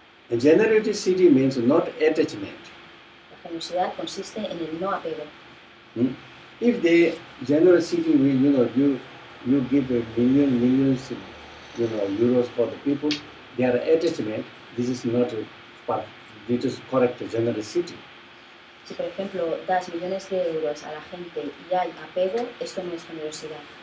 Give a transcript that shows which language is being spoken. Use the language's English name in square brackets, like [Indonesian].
[English] A generosity means not attachment. [Spanish] La generosidad consiste en el no apego. [English] If the generosity will, you know, you give a millions, you know, euros for the people, their attachment, this is not part, it is correct generosity. [Spanish] Si por ejemplo das millones de euros a la gente y hay apego, esto no es generosidad.